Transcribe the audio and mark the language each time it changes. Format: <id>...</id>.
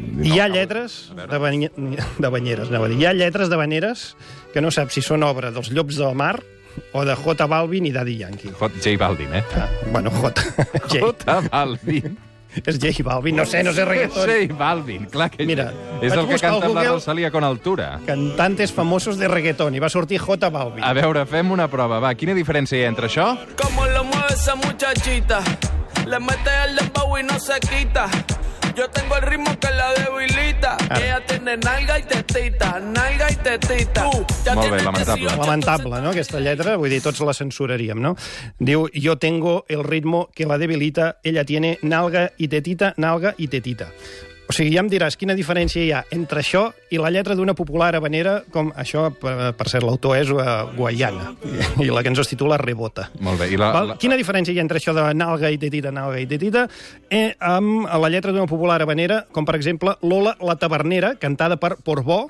<ca>Hi ha lletres de havaneres, anava a dir. Hi ha lletres d'havaneres que no sap si són obra dels Llops del Mar o de J Balvin i Daddy Yankee. J Balvin, eh? Ah, bueno, J. J Balvin. És J Balvin, no sé reggaeton. J Balvin, clar que... Mira, és el que canta amb la Rosalía con altura.</ca> <es>Cantantes famosos de reggaeton,</es> <ca>i va sortir J Balvin. A veure, fem una prova, va. Quina diferència hi ha entre això?</ca> <es>Como lo mueve esa muchachita, le mete el dembow y no se quita. Yo tengo el ritmo que la debilita. Ella tiene nalga y tetita, nalga y tetita.</es> <ca>Molt bé, lamentable. Lamentable, no?, aquesta lletra. Vull dir, tots la censuraríem, no? Diu,</ca> <es>yo tengo el ritmo que la debilita. Ella tiene nalga y tetita, nalga y tetita.</es> <ca>O sigui, ja em diràs quina diferència hi ha entre això i la lletra d'una popular havanera com això, per cert, l'autor és Guayana, i la que ens es titula Rebota. Molt bé. I quina diferència hi ha entre això de nalga i tetita, nalga i tetita, amb la lletra d'una popular havanera com, per exemple, Lola la tavernera, cantada per Porbó?</ca>